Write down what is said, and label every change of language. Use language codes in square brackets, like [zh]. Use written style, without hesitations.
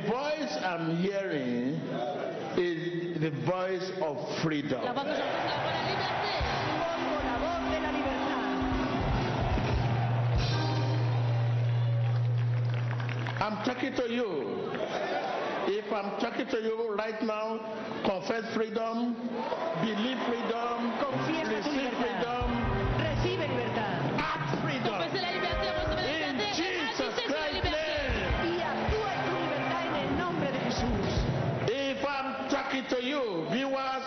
[en] The voice I'm hearing is the voice of freedom. [es] La voz que yo escucho es la libertad. Oigo la voz de la libertad. [en] I'm talking to you. If I'm talking to you right now, confess freedom, believe freedom, [es] confiesa [en] receive [es] tu libertad, [en] freedom, [es] recibe libertad, [en] act freedom, [es] confiesa la libertad, recibe la libertad, [en] in Jesus Christ's name, [es] y actúa tu libertad en el nombre de Jesús. [en] If I'm talking to you, viewers,